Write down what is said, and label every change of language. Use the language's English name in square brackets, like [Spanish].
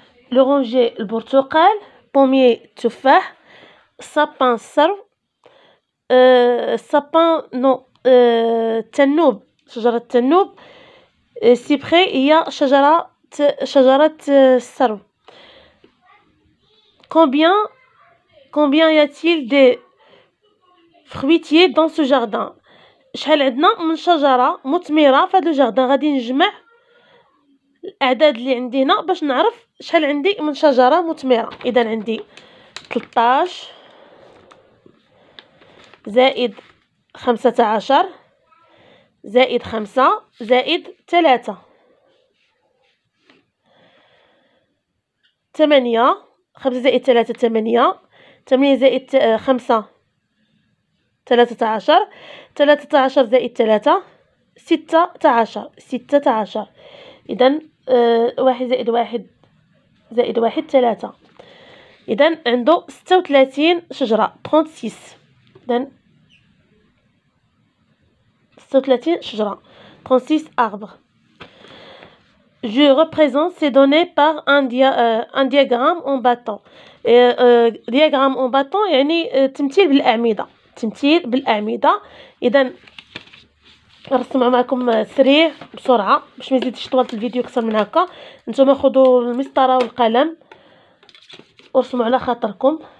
[Arabic] لورانجي البرتقال، بوميي التفاح، سابان السرو، سابان نو التنوب، شجرة التنوب، سيبري هي شجرة السرو. [French] كومبيان Combien y a-t-il de fruitiers dans ce jardin? [Arabic] شحال عندنا من شجره مثمره في هذا الجاردان؟ غادي نجمع الاعداد اللي عندي هنا باش نعرف شحال عندي من شجره مثمره. اذا عندي 13 + 15 + 5 + 3 = 8 5 + 3 = 8 8 + 5 = 13 13 + 3 = 16 16. إذا 1 + 1 + 1 = 3. إذا عنده 36 شجرة 36. إذا 36 شجرة 36 arbres. [French] Je représente ces données par un diagramme en bâton. [Arabic] Diagramme en bâton, يعني تمثيل بالأعمدة. تمثيل بالأعمدة. إذا رسم معكم سريع بسرعة باش ما يزيدش طولت الفيديو أكثر من هكا. نتوما خذوا المسطرة والقلم ورسموا على خاطركم.